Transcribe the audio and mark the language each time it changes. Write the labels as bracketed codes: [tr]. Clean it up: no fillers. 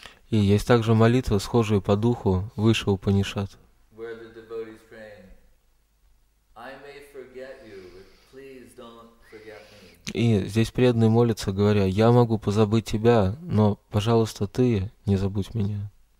[ru] И есть также молитва, схожая по духу, выше Упанишад. [en] Where the devotee's praying, I may forget you, but please don't forget me. [ru] и здесь преданный молится, говоря: «Я могу позабыть тебя, но, пожалуйста, ты не забудь меня».